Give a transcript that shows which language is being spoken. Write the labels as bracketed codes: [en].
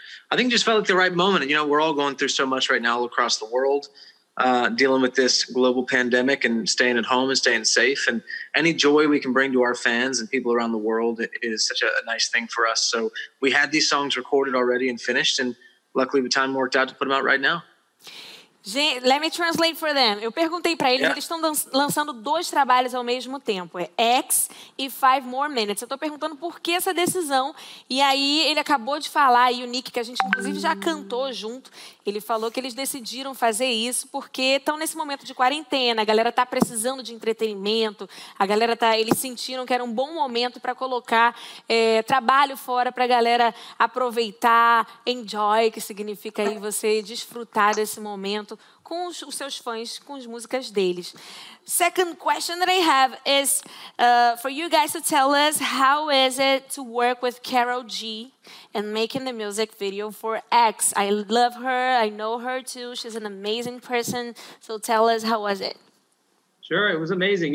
[en] I think it just felt like the right moment. You know, we're all going through so much right now all across the world, dealing with this global pandemic and staying at home and staying safe. And any joy we can bring to our fans and people around the world is such a nice thing for us. So we had these songs recorded already and finished, and luckily the time worked out to put them out right now. [pt] Gente, [en] let me translate for them. [pt] Eu perguntei para eles, eles estão lançando 2 trabalhos ao mesmo tempo, X e 5 More Minutes. Eu estou perguntando por que essa decisão. E aí ele acabou de falar, e o Nick, que a gente inclusive já cantou junto, ele falou que eles decidiram fazer isso porque estão nesse momento de quarentena, a galera está precisando de entretenimento, eles sentiram que era um bom momento para colocar trabalho fora para a galera aproveitar, enjoy, que significa aí você desfrutar desse momento com os seus fãs, com as músicas deles. [en] Second question that I have is for you guys to tell us, how is it to work with Karol G and making the music video for X? I love her. I know her too. She's an amazing person. So tell us, how was it? Sure, it was amazing.